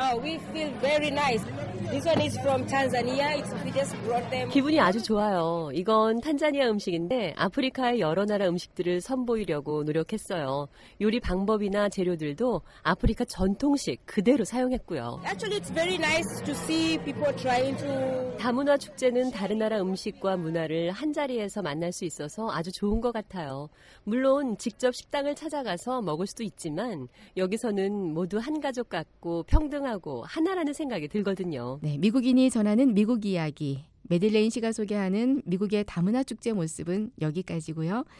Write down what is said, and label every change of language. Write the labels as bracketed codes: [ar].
[en] We feel very nice. This one is from Tanzania. We just brought them. [ko] 기분이 아주 좋아요. 이건 탄자니아 음식인데 아프리카의 여러 나라 음식들을 선보이려고 노력했어요. 요리 방법이나 재료들도 아프리카 전통식 그대로 사용했고요. [en] Actually, it's very nice to see people trying to. [ko] 다문화 축제는 다른 나라 음식과 문화를 한 자리에서 만날 수 있어서 아주 좋은 것 같아요. 물론 직접 식당을 찾아가서 먹을 수도 있지만. 여기서는 모두 한 가족 같고 평등하고 하나라는 생각이 들거든요. 네, 미국인이 전하는 미국 이야기. 메들레인 씨가 소개하는 미국의 다문화 축제 모습은 여기까지고요.